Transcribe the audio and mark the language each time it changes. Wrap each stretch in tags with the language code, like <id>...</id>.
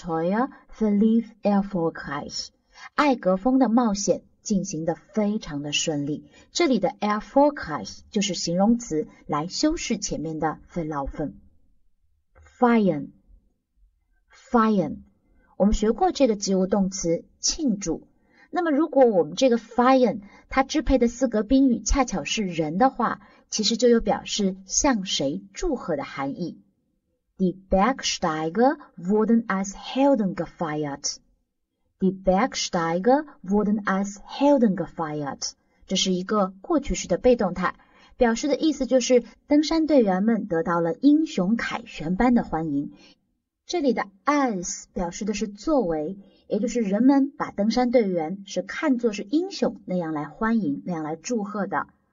<de>Das eigene Abenteuer verlief erfolgreich.</de> <zh>艾格峰的冒险进行得非常的顺利。这里的 erfolgreich 就是形容词来修饰前面的 verlaufen。</zh> <de>Feiern.</de> <zh>我们学过这个及物动词庆祝。那么如果我们这个 feiern 它支配的四格宾语恰巧是人的话，其实就有表示向谁祝贺的含义。</zh> <de>Die Bergsteiger wurden als Helden gefeiert.</de> <zh>这是一个过去式的被动态，表示的意思就是登山队员们得到了英雄凯旋般的欢迎。这里的 as 表示的是作为，也就是人们把登山队员是看作是英雄那样来欢迎，那样来祝贺的。</zh>